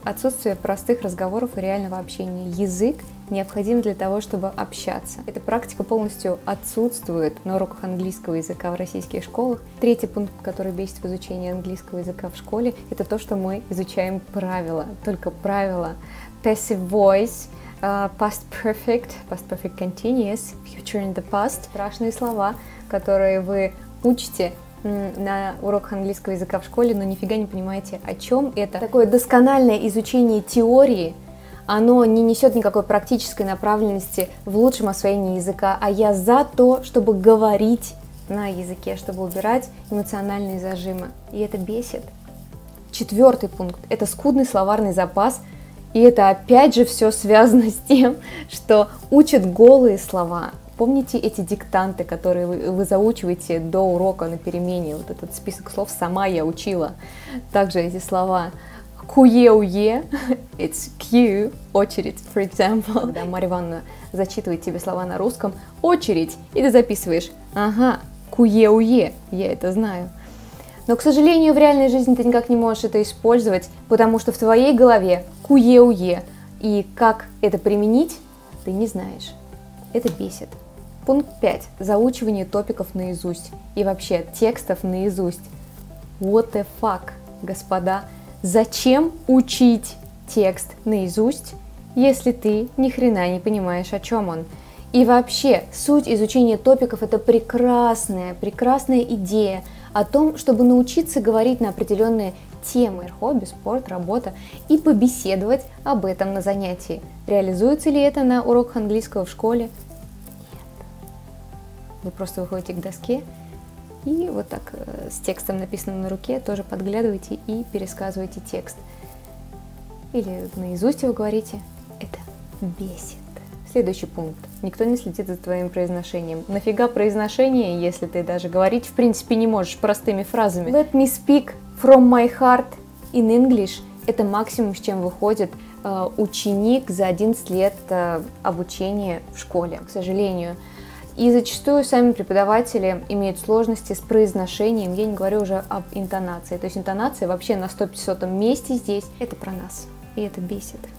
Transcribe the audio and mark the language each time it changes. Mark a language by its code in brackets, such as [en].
[ru] Отсутствие простых разговоров и реального общения. Язык необходим для того, чтобы общаться. Эта практика полностью отсутствует на уроках английского языка в российских школах. Третий пункт, который бесит в изучении английского языка в школе, это то, что мы изучаем правила. Только правила. [en] Passive voice, past perfect continuous, future in the past. [ru] Страшные слова, которые вы учите на уроках английского языка в школе, но нифига не понимаете, о чем это. Такое доскональное изучение теории, оно не несет никакой практической направленности в лучшем освоении языка, а я за то, чтобы говорить на языке, чтобы убирать эмоциональные зажимы. И это бесит. Четвертый пункт – это скудный словарный запас. И это опять же все связано с тем, что учат голые слова. Помните эти диктанты, которые вы заучиваете до урока на перемене? Вот этот список слов сама я учила. Также эти слова. [en] Куе-уе, it's queue, очередь, for example. [ru] Когда Марья Ивановна зачитывает тебе слова на русском, очередь, и ты записываешь, ага, куе-уе, я это знаю. Но, к сожалению, в реальной жизни ты никак не можешь это использовать, потому что в твоей голове куе-уе, и как это применить, ты не знаешь. Это бесит. Пункт 5. Заучивание топиков наизусть. И вообще, текстов наизусть. [en] What the fuck, господа? [ru] Зачем учить текст наизусть, если ты ни хрена не понимаешь, о чем он? И вообще, суть изучения топиков – это прекрасная, прекрасная идея о том, чтобы научиться говорить на определенные темы – хобби, спорт, работа – и побеседовать об этом на занятии. Реализуется ли это на уроках английского в школе? Нет. Вы просто выходите к доске. И вот так с текстом, написанным на руке, тоже подглядывайте и пересказывайте текст. Или наизусть его говорите. Это бесит. Следующий пункт. Никто не следит за твоим произношением. Нафига произношение, если ты даже говорить в принципе не можешь простыми фразами? [en] Let me speak from my heart in English. [ru] Это максимум, с чем выходит ученик за 11 лет обучения в школе, к сожалению. И зачастую сами преподаватели имеют сложности с произношением, я не говорю уже об интонации. То есть интонация вообще на 150-м месте здесь. Это про нас. И это бесит.